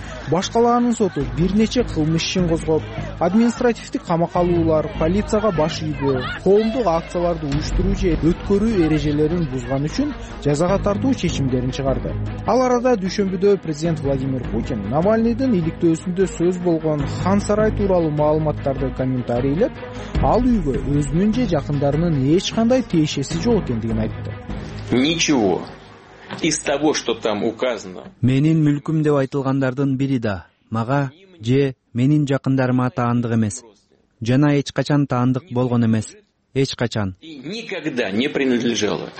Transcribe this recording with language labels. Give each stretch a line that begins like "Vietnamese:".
Kyrgyz: Баш калаанын соту бир нече кылмыш ишин козгоп, административдик камак алуулар, полицияга баш ийүү, коомдук акцияларды уюштуруу же өткөрүү эрежелерин бузган үчүн жазага тартуу чечимдерин чыгарды. Ал арада дүйшөмбүдө президент Владимир Путин Навальныйдын иликтөөсүндө сөз болгон Хан Сарай тууралуу маалыматтарды комментарийлеп, ал үйгө өзүнүн же жакындарынын эч кандай тиешеси жок экендигин айтты.
Russian: Ничего из того, что там указано.
Kyrgyz: Менин мүлкүм деп айтылгандардын бири да мага же менин жакындарыма таандык эмес. Жана эч качан таандык болгон эмес. Эч качан.
Russian: Никогда не принадлежало.